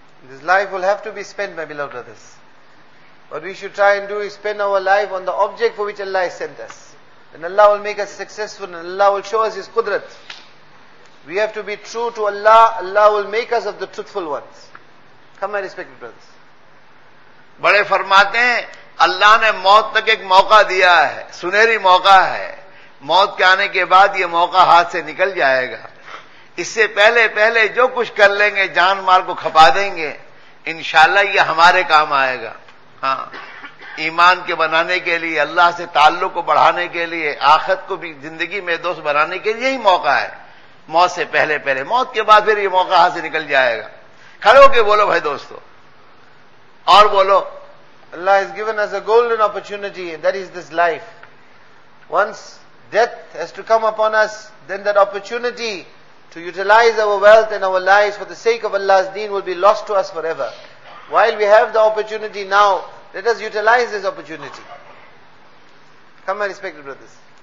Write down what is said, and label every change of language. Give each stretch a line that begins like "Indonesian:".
English: This life will have to be spent, my beloved brothers. What we should try and do is spend our life on the object for which Allah has sent us. Then Allah will make us successful and Allah will show us His Qudrat. We have to be true to Allah. Allah will make us of the truthful ones. Come, my respected brothers.
Urdu: بڑے فرماتے ہیں اللہ نے موت تک ایک موقع دیا ہے, سنہری موقع ہے. موت کے آنے کے بعد یہ موقع ہاتھ سے نکل جائے گا. اس سے پہلے پہلے جو کچھ کر لیں گے, جان مال کو کھپا دیں گے, انشاءاللہ یہ ہمارے کام آئے گا. ہاں ایمان کے بنانے کے لیے, اللہ سے تعلق کو بڑھانے کے لیے, آخرت کو بھی زندگی میں دوست بنانے کے لیے یہی موقع ہے. موت سے پہلے پہلے, موت کے بعد پھر یہ موقع ہاتھ سے نکل جائے گا. کھڑے ہو کے بولو بھائی دوستو, اور بولو.
English: Allah has given us a golden opportunity, that is this life. Once death has to come upon us, then that opportunity to utilize our wealth and our lives for the sake of Allah's deen will be lost to us forever. While we have the opportunity now, let us utilize this opportunity. Come, my respected brothers.